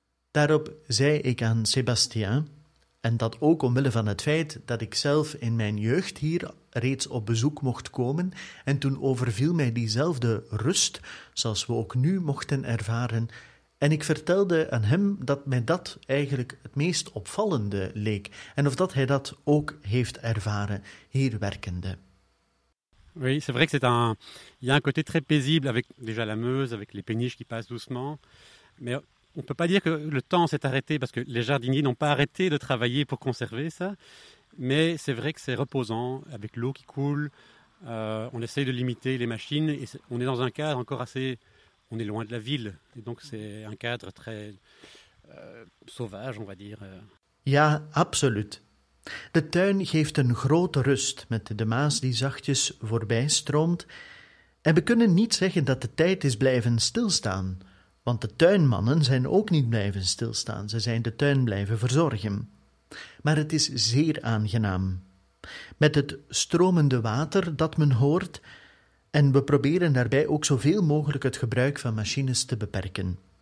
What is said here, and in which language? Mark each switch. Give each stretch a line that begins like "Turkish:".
Dutch: Daarop zei ik aan Sébastien, en dat ook omwille van het feit dat ik zelf in mijn jeugd hier reeds op bezoek mocht komen en toen overviel mij diezelfde rust, zoals we ook nu mochten ervaren, en ik vertelde aan hem dat mij dat eigenlijk het meest opvallende leek en of dat hij dat ook heeft ervaren hier werkende.
French: Oui, c'est vrai que c'est un il y a un côté très paisible avec déjà la Meuse avec les péniches qui passent doucement, mais on peut pas dire que le temps s'est arrêté parce que les jardiniers n'ont pas arrêté de travailler pour conserver ça, mais c'est vrai que c'est reposant avec l'eau qui coule, on essaie de limiter les machines et on est dans un cadre encore assez. On est loin de la ville, et donc c'est un cadre très sauvage, on va dire.
Dutch: Ja, absoluut. De tuin geeft een grote rust met de Maas die zachtjes voorbij stroomt. En we kunnen niet zeggen dat de tijd is blijven stilstaan, Want de tuinmannen zijn ook niet blijven stilstaan. Ze zijn de tuin blijven verzorgen. Maar het is zeer aangenaam. Met het stromende water dat men hoort, en we proberen daarbij ook zoveel mogelijk het gebruik van machines te beperken.